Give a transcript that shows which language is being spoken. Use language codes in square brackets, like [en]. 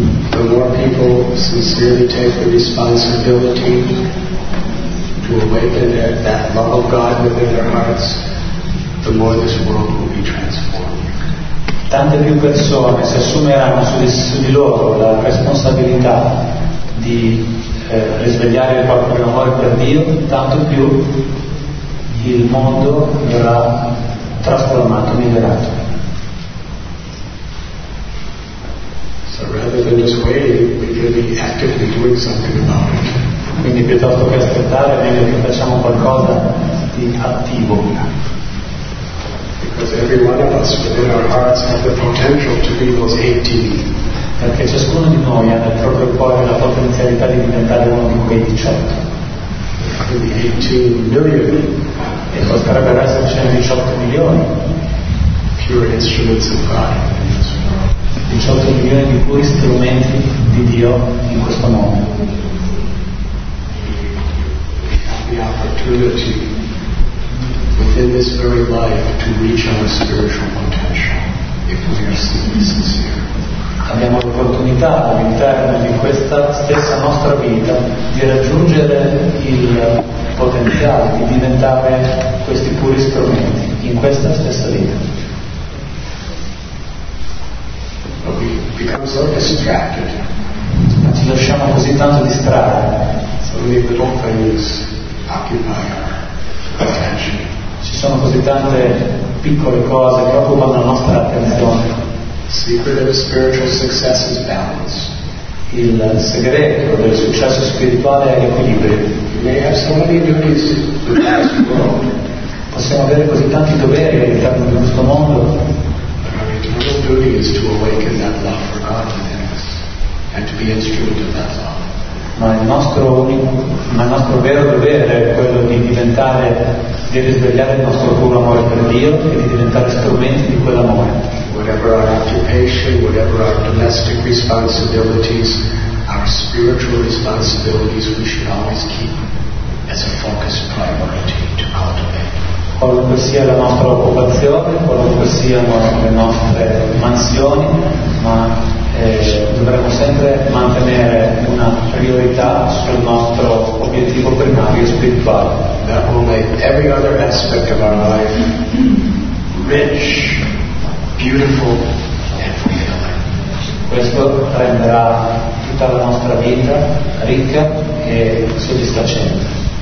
[en] The more people sincerely take the responsibility to awaken that love of God within their hearts, the more this world will be transformed. [it] Tante più persone si assumeranno su di loro la responsabilità di risvegliare il proprio amore per Dio, tanto più il mondo verrà trasformato, migliorato. [en] So rather than just waiting, we could be actively doing something about it. [it] Quindi piuttosto che aspettare, meglio che facciamo qualcosa di attivo. [en] Because every one of us within our hearts has the potential to be those 18. [it] Perché ciascuno di noi ha nel proprio cuore la potenzialità di diventare uno di quei 18. Quindi 18 milioni. E potrebbero essercene 18 milioni. [en] Pure instruments of God. [it] 18 milioni di puri strumenti di Dio in questo mondo. [en] The opportunity within this very life to reach our spiritual potential if we are simply sincere. [it] Abbiamo l'opportunità all'interno di questa stessa nostra vita di raggiungere il potenziale di diventare questi puri strumenti in questa stessa vita. [en] Become so distracted. [it] Ma ci lasciamo così tanto distrarre. [en] So many little things occupy our attention. [it] Ci sono così tante piccole cose che occupano la nostra attenzione. [en] Secret of spiritual success is balance. [it] Il segreto del successo spirituale è l'equilibrio. [en] We may have so many duties in this world. [it] Possiamo avere così tanti doveri all'interno di questo mondo. [en] Our duty is to awaken that love for God within us and to be instrument of that love. [it] Ma il nostro vero dovere è quello di diventare, di risvegliare il nostro puro amore per Dio e di diventare strumenti di quell'amore. [en] Whatever our occupation, whatever our domestic responsibilities, our spiritual responsibilities, we should always keep as a focus priority to cultivate. [it] Qualunque sia la nostra occupazione, qualunque siano le nostre mansioni, ma dovremo sempre mantenere una priorità sul nostro obiettivo primario spirituale. [en] That will make every other aspect of our life rich, beautiful and fulfilling. [it] Questo renderà tutta la nostra vita ricca e soddisfacente.